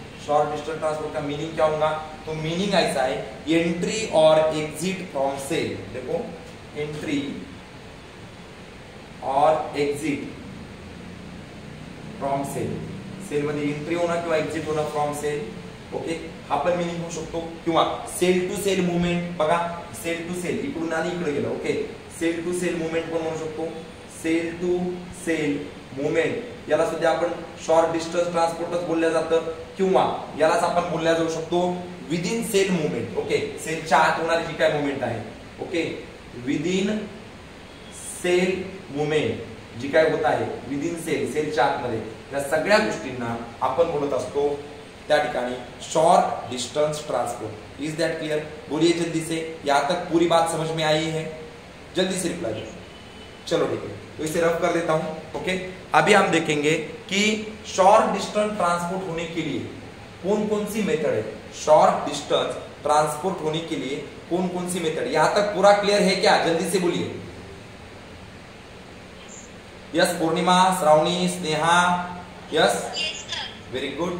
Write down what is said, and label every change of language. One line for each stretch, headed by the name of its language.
Hindi: Short distance transport का meaning क्या होगा? तो मीनिंग ऐसा है, एंट्री और एग्जिट फ्रॉम सेल, देखो एंट्री और एग्जिट फ्रॉम सेल,
Marathi: सेल मध्ये एंट्री होना किंवा एग्जिट होना फ्रॉम सेल, ओके हा पण मीनिंग होऊ शकतो. किंवा सेल टू सेल मुवमेंट, बघा सेल टू सेल इकडून आणि इकडे गेलं, okay sale to sale movement पण म्हणू शकतो. सेल टू सेल मुवमेंट याला सुद्धा आपण शॉर्ट डिस्टन्स ट्रान्सपोर्टच बोलल्या जातं, किंवा यालाच आपण बोलल्या जाऊ शकतो with in sale movement, okay सेलच्या आत होणारी जी काय मुवमेंट आहे, okay with in sale movement जी काय होत आहे विद इन सेल, सेलच्या आतमध्ये या सगळ्या गोष्टींना आपण बोलत असतो त्या ठिकाणी short distance transport.
English: Is that clear?
Hindi: बोलिये जल्दी से, या तक पूरी बात समझ में आई है? जल्दी से रिप्लाई. चलो ठीक है, तो इसे रफ कर देता हूं. ओके अभी हम देखेंगे कि शॉर्ट डिस्टेंस ट्रांसपोर्ट होने के लिए कौन कौन सी मेथड है, शॉर्ट डिस्टेंस ट्रांसपोर्ट होने के लिए कौन कौन सी मेथड. यहां तक पूरा क्लियर है क्या? जल्दी से बोलिए.
English: Yes Purnima, Shravani, Sneha, yes very good.